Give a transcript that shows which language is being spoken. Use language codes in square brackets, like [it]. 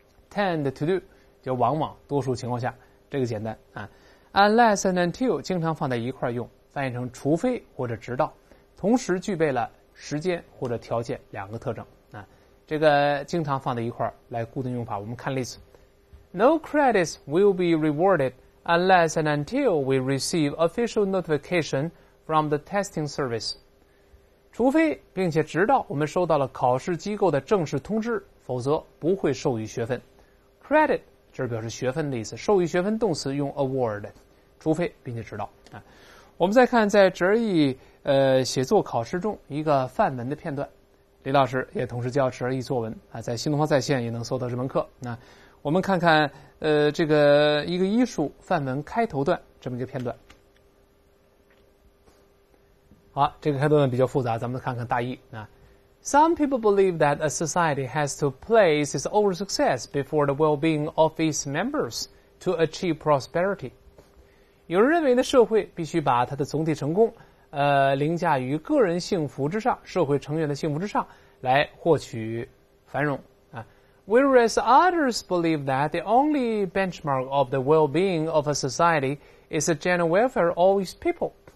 [en] Tend to do [zh] 就往往多数情况下，这个简单啊。 [en] Unless and until [zh] 经常放在一块用，翻译成除非或者直到，同时具备了时间或者条件两个特征啊。这个经常放在一块来固定用法，我们看例子。 [en] No credits will be rewarded unless and until we receive official notification from the testing service. [zh] 除非并且直到我们收到了考试机构的正式通知，否则不会授予学分。 Credit 这是表示学分的意思，授予学分动词用 award， 除非并且直到。我们再看在直译写作考试中一个范文的片段。李老师也同时教直译作文啊，在新东方在线也能搜到这门课。那我们看看这个一个艺术范文开头段这么一个片段。好，这个开头段比较复杂，咱们看看大意啊。 [en] Some people believe that a society has to place its own success before the well-being of its members to achieve prosperity. [zh] 有人认为呢，社会必须把它的总体成功凌驾于个人幸福之上，社会成员的幸福之上来获取繁荣啊。 [en] Whereas others believe that the only benchmark of the well-being of a society is the general welfare of its people.